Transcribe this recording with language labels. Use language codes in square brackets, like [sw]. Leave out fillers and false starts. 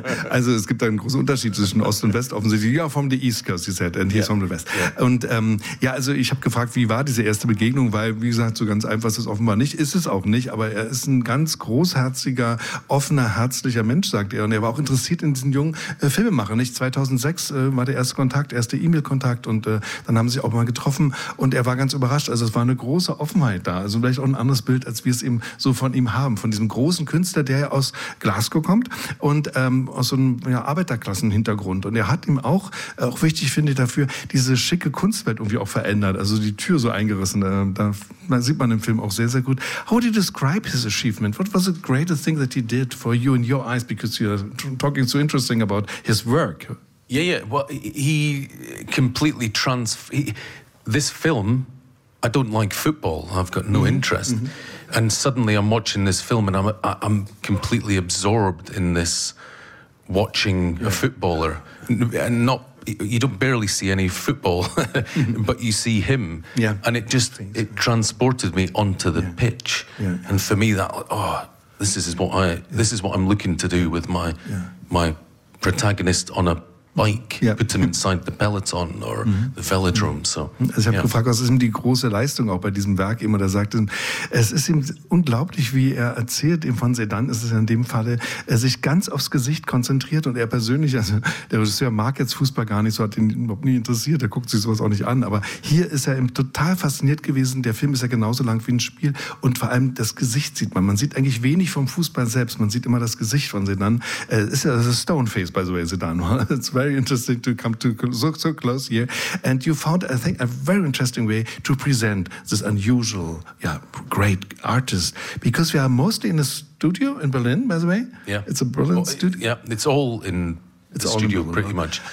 [de] Also, es gibt einen großen Unterschied zwischen Ost und West, offensichtlich. [en] You are from the East Coast, you said, and he's from the West. Yeah. [de] Und also ich habe gefragt, wie war diese erste Begegnung, weil, wie gesagt, so ganz einfach ist es offenbar nicht. Ist es auch nicht, aber er ist ein ganz großherziger, offener, herzlicher Mensch, sagt er. Und er war auch interessiert in diesen jungen Filmemacher, nicht? 2006 war der erste E-Mail-Kontakt, und dann haben sie sich auch mal getroffen. Und er war war ganz überrascht. Also es war eine große Offenheit da. Also vielleicht auch ein anderes Bild, als wir es eben so von ihm haben. Von diesem großen Künstler, der ja aus Glasgow kommt und aus so einem Arbeiterklassenhintergrund. Und er hat ihm auch wichtig, finde ich, dafür, diese schicke Kunstwelt irgendwie auch verändert. Also die Tür so eingerissen. Da sieht man im Film auch sehr, sehr gut. [en] How do you describe his achievement? What was the greatest thing that he did for you in your eyes? Because you're talking so interesting about his work. Yeah, yeah. Well, he completely this film, I don't like football. I've got no interest. Mm-hmm. And suddenly I'm watching this film and I'm completely absorbed in this watching a footballer. And not, you don't barely see any football, but you see him. Yeah. And it transported me onto the pitch. Yeah. And for me, this is what I'm looking to do with my my protagonist on a bike, put him inside the peloton or the velodrome. So, [de] also ich habe gefragt, was ist ihm die große Leistung auch bei diesem Werk immer? Da sagt er, es ist ihm unglaublich, wie er erzählt, ihm von Sedan ist es in dem Falle, er sich ganz aufs Gesicht konzentriert und er persönlich, also der Regisseur mag jetzt Fußball gar nicht, so hat ihn überhaupt nie interessiert, er guckt sich sowas auch nicht an, aber hier ist er ihm total fasziniert gewesen, der Film ist ja genauso lang wie ein Spiel und vor allem das Gesicht sieht man. Man sieht eigentlich wenig vom Fußball selbst, man sieht immer das Gesicht von Sedan. Ist ja das Stoneface, [en] by the way, [de] Sedan. [en] Very interesting to come to so close here, and you found, I think, a very interesting way to present this unusual, great artist. Because we are mostly in a studio in Berlin, by the way. Yeah, it's a brilliant studio. Yeah, it's all in the studio, pretty much.